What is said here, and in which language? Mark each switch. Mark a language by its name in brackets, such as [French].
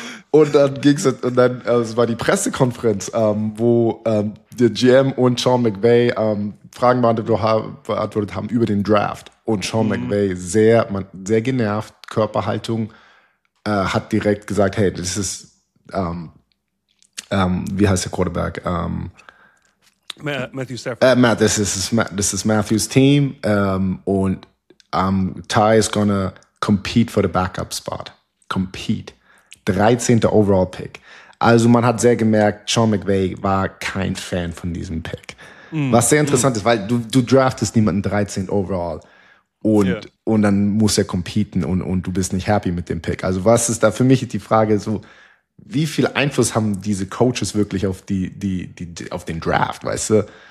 [German] Und dann war die Pressekonferenz, wo der GM und Sean McVay Fragen beantwortet haben über den Draft. Und Sean McVay sehr genervt, Körperhaltung, hat direkt gesagt, hey, das ist wie heißt der Quarterback? Matthew Stafford. [English] This is Matthew's team. Ty is gonna compete for the backup spot. [German] Compete. 13. Overall Pick. Also man hat sehr gemerkt, Sean McVay war kein Fan von diesem Pick. Was sehr interessant ist, weil du draftest niemanden 13. Overall. Und dann muss er competen und du bist nicht happy mit dem Pick. Also was ist da für mich die Frage so, wie viel Einfluss haben diese Coaches wirklich auf die auf den Draft, weißt du?